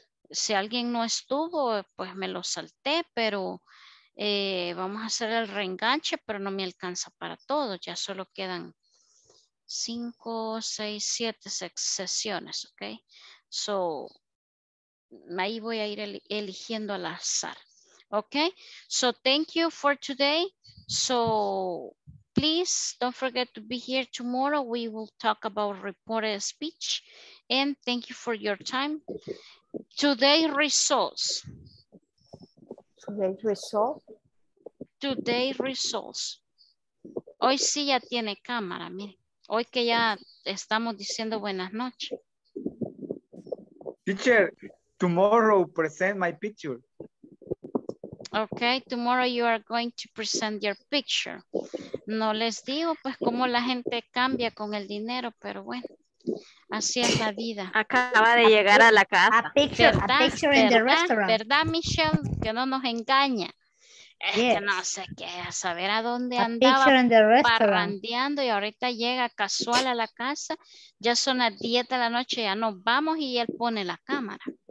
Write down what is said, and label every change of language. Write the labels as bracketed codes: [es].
[es] Si alguien no estuvo, pues me lo salté, pero vamos a hacer el reenganche, pero no me alcanza para todo. Ya solo quedan 5, 6, 7 sesiones, ok. So, ahí voy a ir eligiendo al azar. [en] Ok, so thank you for today. So, please don't forget to be here tomorrow. We will talk about reported speech. And thank you for your time. Today's results. [es] Hoy sí ya tiene cámara, mire. Hoy que ya estamos diciendo buenas noches. [en] Teacher, tomorrow present my picture. Okay, tomorrow you are going to present your picture. [es] No les digo pues cómo la gente cambia con el dinero, pero bueno, así es la vida. Acaba de llegar a la casa. [en] A picture, ¿verdad? A picture in the restaurant. [es] ¿Verdad, Michelle? Que no nos engaña. Es que no sé qué, a saber a dónde a andaba parrandeando y ahorita llega casual a la casa, ya son las 10 de la noche, ya nos vamos y él pone la cámara.